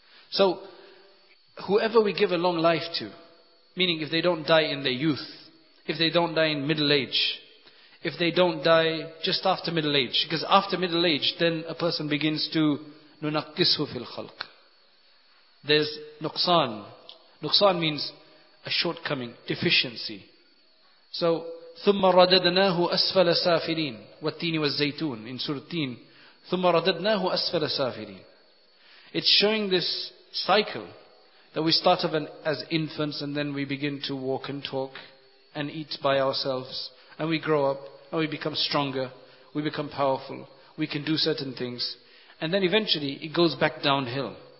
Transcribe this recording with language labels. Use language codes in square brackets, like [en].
[en] So, whoever we give a long life to, meaning if they don't die in their youth, if they don't die in middle age, if they don't die just after middle age, because after middle age, then a person begins to [ar] nunaqqisu fil khalq. [en] There's nuqsan. Nuqsan means a shortcoming, deficiency. [ar] So, ثُمَّ رَدَدْنَاهُ أَسْفَلَ سَافِلِينَ وَالتِّينِ وَالزَّيْتُونَ in Surah Teen. ثُمَّ رَدَدْنَاهُ أَسْفَلَ سَافِلِينَ. [en] It's showing this cycle that we start of as infants and then we begin to walk and talk and eat by ourselves and we grow up and we become stronger, we become powerful, we can do certain things. And then eventually it goes back downhill.